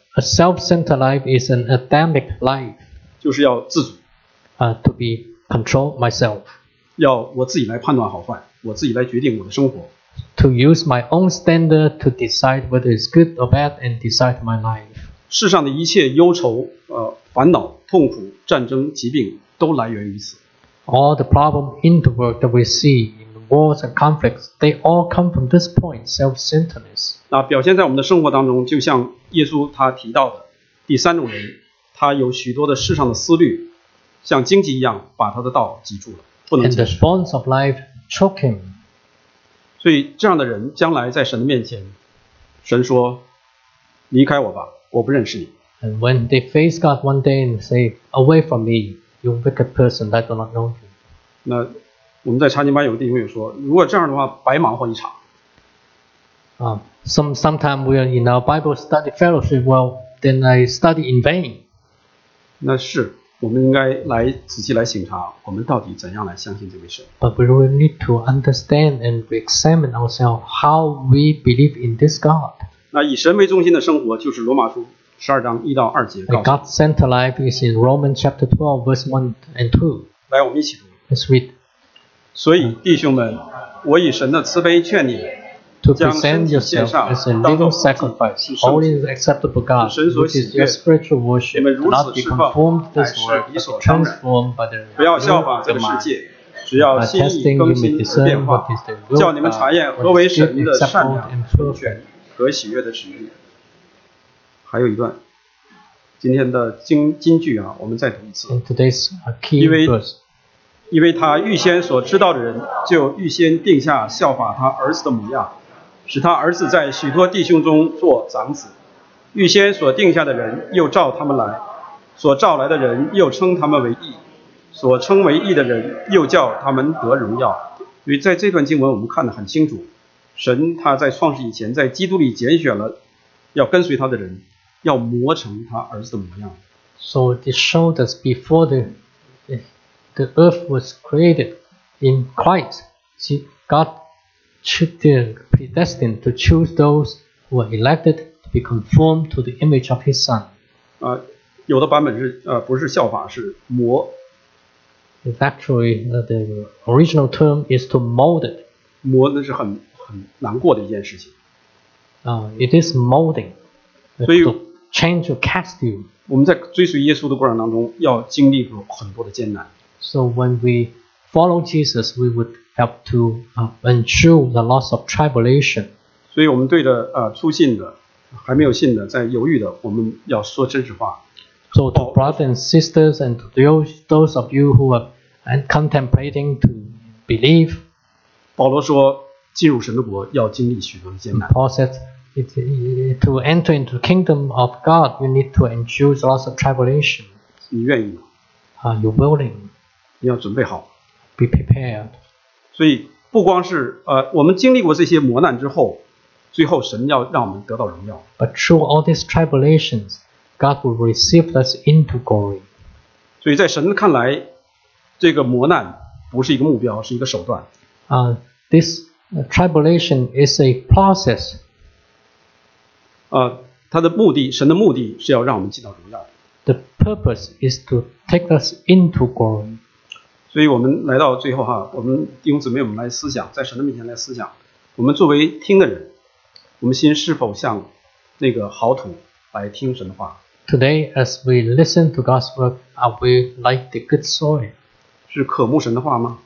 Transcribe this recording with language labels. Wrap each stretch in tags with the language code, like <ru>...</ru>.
<en>A self-centered life is an Adamic life.</en> <zh>就是要自主。</zh> <en>To be control myself.</en> <zh>要我自己来判断好坏，我自己来决定我的生活。</zh> <en>To use my own standard to decide whether it's good or bad and decide my life.</en> <zh>世上的一切忧愁烦恼痛苦战争疾病都来源于此。</zh> <en>All the problems in the world that we see in wars and conflicts, they all come from this point, self-centeredness.</en> <zh>那表现在我们的生活当中，就像耶稣他提到的，第三种人，他有许多的世上的思虑，像荆棘一样把他的道挤住了，不能。</zh> <en>And the thorns of life choke him.</en> <zh>所以这样的人将来在神的面前，神说，离开我吧，我不认识你。</zh> <en>And when they face God one day and say, away from me. You wicked person, I do not know you.</en> <zh>那我们在查经班有个弟兄也说，如果这样的话，白忙活一场。</zh> <en>Sometimes we are in our Bible study fellowship, well, then I study in vain.</en> <zh>那是，我们应该来仔细来省察，我们到底怎样来相信这位神。</zh> <en>But we really need to understand and examine ourselves how we believe in this God.</en> <zh>那以神为中心的生活就是罗马书。十二章一到二节。</zh> <en>A God-centered life is in Romans chapter 12, verse 1 and 2.</en> <zh>来，我们一起读。</zh> <en>Let's read.</en> <zh>所以，弟兄们，我以神的慈悲劝你们，将身体献上，当作活祭，是圣洁，是神所喜悦的。你们如此侍奉，乃是理所当然。不要效法这个世界，只要心意更新变化，叫你们查验何为神的善良、和全、和喜悦的旨意。还有一段今天的金句啊，我们再读一次。</zh> <en>Today's key verse.</en> <zh>因为他预先所知道的人，就预先定下效法他儿子的模样，使他儿子在许多弟兄中做长子。预先所定下的人又召他们来，所召来的人又称他们为义，所称为义的人又叫他们得荣耀。因为在这段经文我们看得很清楚，神他在创世以前在基督里拣选了要跟随他的人，要磨成他儿子的模样。</zh> <en>So it showed us before the earth was created in Christ, God predestined to choose those who were elected to be conformed to the image of His Son.</en> <zh>有的版本是不是效法，是磨。</zh> <en>Actually, the original term is to mold it.</en> <zh>磨那是很难过的一件事情。</zh> <en>It is molding.</en> <zh>所以。</zh> <en>Change or cast you.</en> <zh>我们在追随耶稣的过程当中，要经历过很多的艰难。</zh> <en>So when we follow Jesus, we would have to endure the loss of tribulation.</en> <zh>所以我们对着初信的、还没有信的、在犹豫的，我们要说真实话。</zh> <en>So to brothers and sisters and those of you who are contemplating to believe,</en> <zh>保罗说，进入神的国要经历许多的艰难。</zh> <en>Paul said. To enter into the kingdom of God, you need to endure lots of tribulation.</en> <zh>你愿意吗？</zh> <en>You're willing.</en> <zh>你要准备好。</zh> <en>Be prepared.</en> <zh>所以不光是我们经历过这些磨难之后，最后神要让我们得到荣耀。</zh> <en>But through all these tribulations, God will receive us into glory.</en> <zh>所以在神看来，这个磨难不是一个目标，是一个手段。</zh> <en>This tribulation is a process.</en> <zh>他的目的，神的目的是要让我们进到荣耀。</zh> <en>The purpose is to take us into glory.</en> <zh>所以我们来到最后我们弟兄姊妹，我们来思想，在神的面前来思想，我们作为听的人，我们心是否像那个好土来听神的话？</zh> <en>Today, as we listen to God's word, are we like the good soil?</en> <zh>是渴慕神的话吗？</zh>